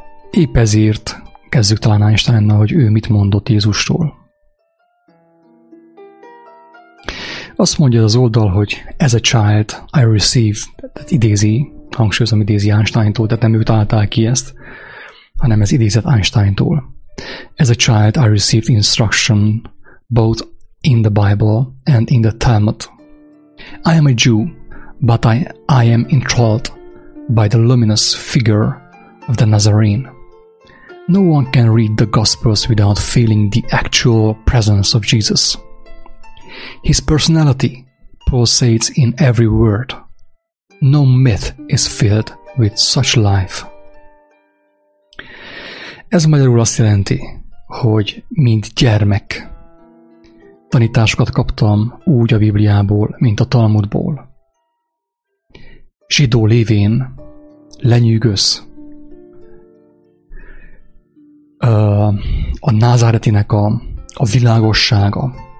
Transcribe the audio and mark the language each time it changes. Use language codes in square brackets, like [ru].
[hu] Épp ezért kezdjük talán Einsteinnal, hogy ő mit mondott Jézusról. Azt mondja az oldal, hogy [en] as a child I receive, [hu] tehát idézi, hangsúlyozom, idézi Einsteintól, tehát nem ő találták ki ezt, hanem ez idézett Einsteintól. [en] As a child I received instruction both in the Bible and in the Talmud. I am a Jew, but I am enthralled by the luminous figure of the Nazarene. No one can read the Gospels without feeling the actual presence of Jesus. His personality pulsates in every word. No myth is filled with such life. [hu] Ez magyarul azt jelenti, hogy mint gyermek tanításokat kaptam úgy a Bibliából, mint a Talmudból. Zsidó lévén lenyűgöz a názáretinek a világossága.